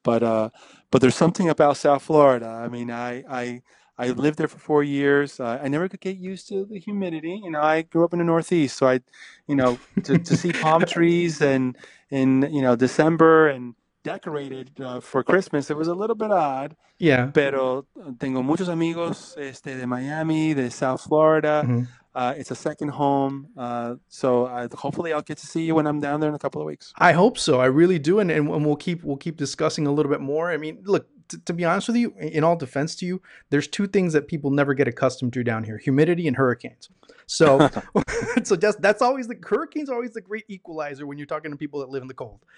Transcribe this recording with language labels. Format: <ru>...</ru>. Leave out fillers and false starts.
<en>But there's something about South Florida. I mean, I lived there for 4 years. I never could get used to the humidity. You know, I grew up in the Northeast, so I, you know, to see palm trees and in, you know, December and decorated for Christmas, it was a little bit odd. Yeah.</en> <es>Pero tengo muchos amigos de Miami, de South Florida.</es> <en>Mm-hmm. It's a second home. Hopefully I'll get to see you when I'm down there in a couple of weeks. I hope so. I really do. And we'll keep discussing a little bit more. I mean, look, to be honest with you, in all defense to you, there's two things that people never get accustomed to down here: humidity and hurricanes. So hurricanes are always the great equalizer when you're talking to people that live in the cold.</en>